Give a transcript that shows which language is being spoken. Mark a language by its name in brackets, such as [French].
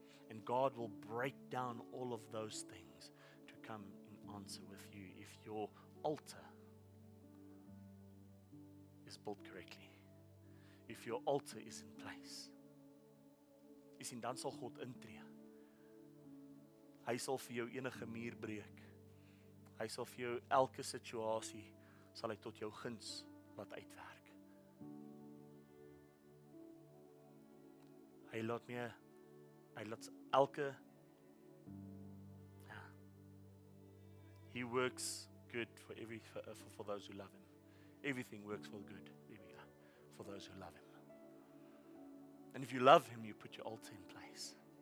[English] And God will break down all of those things to come in answer with you if your altar is built correctly, if your altar is in place, [Afrikaans] Jy sien, dan sal God intree. Hy sal vir jou enige muur breek. Hy sal vir jou elke situasie, sal hy tot jou guns laat uitwerk. [English] He works good for those who love him. Everything works for good for those who love him. And if you love him, you put your altar in place.